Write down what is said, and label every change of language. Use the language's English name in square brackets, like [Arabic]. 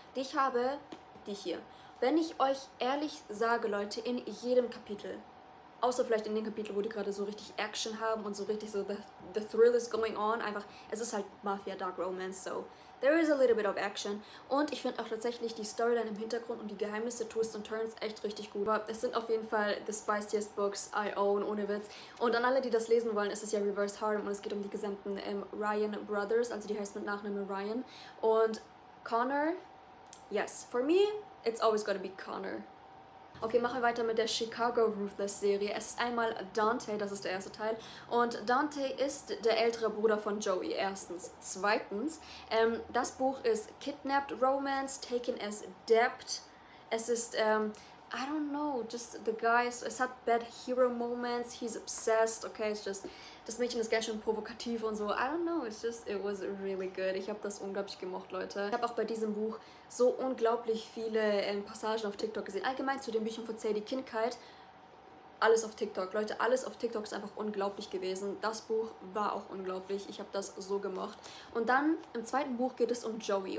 [German] Die ich habe, die hier. Wenn ich euch ehrlich sage, Leute, in jedem Kapitel, außer vielleicht in den Kapiteln, wo die gerade so richtig Action haben und so richtig [English] so the thrill is going on, [German] einfach, es ist halt Mafia Dark Romance, [English] so there is a little bit of action. [German] Und ich finde auch tatsächlich die Storyline im Hintergrund und die Geheimnisse, Twists and Turns, echt richtig gut. Aber es sind auf jeden Fall [English] the spiciest books I own, [German] ohne Witz. Und an alle, die das lesen wollen, ist es ja Reverse Harem und es geht um die gesamten Ryan Brothers, also die heißt mit Nachnamen Ryan. [English] Und Connor, yes, for me, it's always gonna be Connor. [German] Okay, machen wir weiter mit der Chicago Ruthless Serie. Es ist einmal Dante, das ist der erste Teil. Und Dante ist der ältere Bruder von Joey, erstens. Zweitens, das Buch ist Kidnapped Romance, Taken as Debt. Es ist, [English] I don't know, just the guys, [German] es hat [English] bad hero moments, he's obsessed, okay, it's just, [German] das Mädchen ist ganz schön provokativ und so, [English] I don't know, it's just, it was really good. [German] Ich habe das unglaublich gemocht, Leute. Ich habe auch bei diesem Buch so unglaublich viele Passagen auf TikTok gesehen. Allgemein zu den Büchern von Sadie Kincaid, alles auf TikTok. Leute, alles auf TikTok ist einfach unglaublich gewesen. Das Buch war auch unglaublich. Ich habe das so gemocht. Und dann im zweiten Buch geht es um Joey.